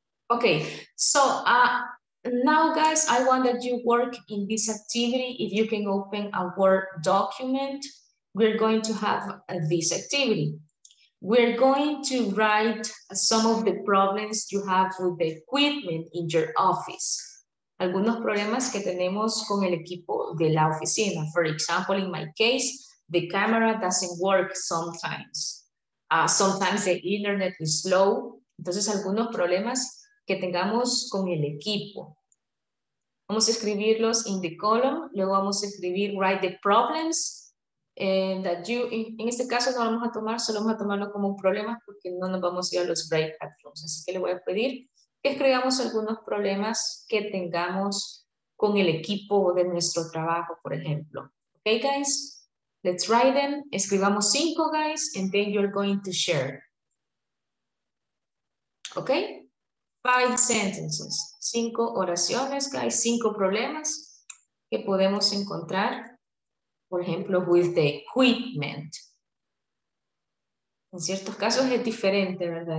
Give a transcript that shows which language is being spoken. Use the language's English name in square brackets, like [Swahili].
[English] Okay, so now, guys, I want that you work in this activity. If you can open a Word document, we're going to have this activity. We're going to write some of the problems you have with the equipment in your office. [Spanish] Algunos problemas que tenemos con el equipo de la oficina. [English] For example, in my case, the camera doesn't work sometimes. Sometimes the internet is slow. [Spanish] Entonces, algunos problemas que tengamos con el equipo. Vamos a escribirlos in the column. Luego vamos a escribir, write the problems. That you, en este caso no vamos a tomar, solo vamos a tomarlo como un problema porque no nos vamos a ir a los breakout rooms. Así que le voy a pedir que escribamos algunos problemas que tengamos con el equipo de nuestro trabajo, por ejemplo. [English] Okay, guys, let's write them. Escribamos cinco, guys, and then you're going to share. [Spanish] Okay, five sentences. Cinco oraciones, guys, cinco problemas que podemos encontrar. Por ejemplo, with the equipment. En ciertos casos es diferente, ¿verdad?